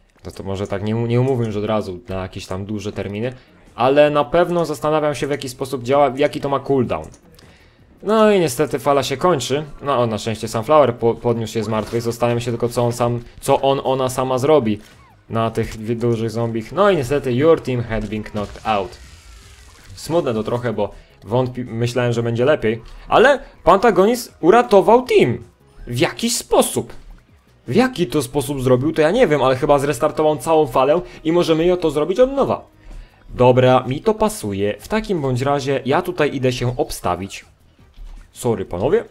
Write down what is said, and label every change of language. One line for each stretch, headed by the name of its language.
Polish: No to może tak nie umówię już od razu na jakieś tam duże terminy, ale na pewno zastanawiam się, w jaki sposób działa, jaki to ma cooldown. No i niestety fala się kończy, no on, na szczęście Sunflower podniósł się z martwych, zostawiam się tylko co ona sama zrobi na tych dużych zombich. No i niestety
English: your team had been knocked out.
Polish: Smutne to trochę, bo myślałem, że będzie lepiej. Ale Pantagonis uratował team. W jakiś sposób. W jaki to sposób zrobił, to ja nie wiem, ale chyba zrestartował całą falę i możemy ją to zrobić od nowa. Dobra, mi to pasuje. W takim bądź razie ja tutaj idę się obstawić. Sorry, panowie.